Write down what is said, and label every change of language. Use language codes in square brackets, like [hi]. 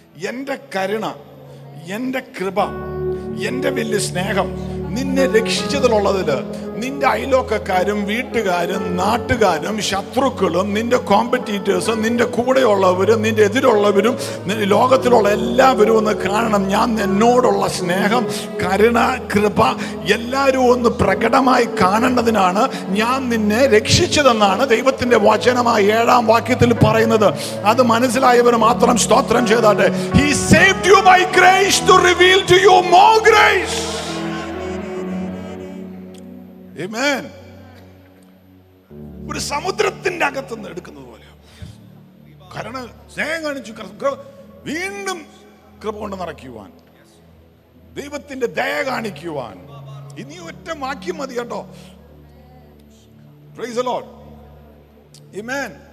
[ml] എന്റെ കരുണ, എന്റെ കൃപ, എന്റെ വലിയ സ്നേഹം നിന്നെ രക്ഷിച്ചതിലുള്ളതില് നിന്റെ അയലോക്കാരും വീട്ടുകാരും നാട്ടുകാരും ശത്രുക്കളും നിന്റെ കോമ്പറ്റീറ്റേഴ്സും നിന്റെ കൂടെയുള്ളവരും നിന്റെ എതിരുള്ളവരും ലോകത്തിലുള്ള എല്ലാവരും ഒന്ന് കാണണം. ഞാൻ എന്നോടുള്ള സ്നേഹം, കരുണ, കൃപ എല്ലാവരും ഒന്ന് പ്രകടമായി കാണേണ്ടതിനാണ് ഞാൻ നിന്നെ രക്ഷിച്ചതെന്നാണ് ദൈവത്തിന്റെ വചനമായ ഏഴാം വാക്യത്തിൽ പറയുന്നത്. അത് മനസ്സിലായവർ മാത്രം സ്തോത്രം ചെയ്താട്ടെ. [en] He saved you by grace to reveal to you more grace. Amen. [ml] ഒരു സമുദ്രത്തിന്റെ അകത്തു നിന്ന് എടുക്കുന്നത് പോലെയാണ് സ്നേഹം കാണിച്ചു. വീണ്ടും കൃപ കൊണ്ട് നടക്കുവാൻ, ദൈവത്തിന്റെ ദയ കാണിക്കുവാൻ. ഇനി ഒറ്റ വാക്യം മതി കേട്ടോ. Praise the Lord. ആമേൻ.